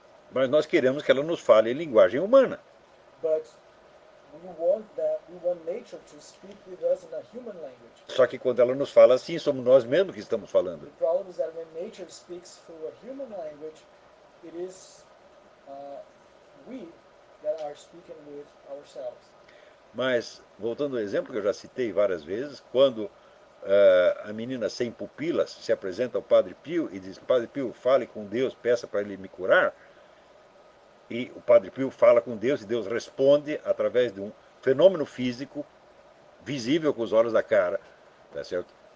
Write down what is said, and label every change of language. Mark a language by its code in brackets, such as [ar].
[pt] Mas nós queremos que ela nos fale em linguagem humana. [en] But we want nature to speak with us in a human language. [pt] Só que quando ela nos fala assim, somos nós mesmos que estamos falando. [en] The problem is that when nature speaks through a human language, it is we that are speaking with ourselves. [pt] Mas, voltando ao exemplo que eu já citei várias vezes, quando a menina sem pupilas se apresenta ao Padre Pio e diz, Padre Pio, fale com Deus, peça para ele me curar, e o Padre Pio fala com Deus e Deus responde através de um fenômeno físico visível com os olhos da cara, tá certo?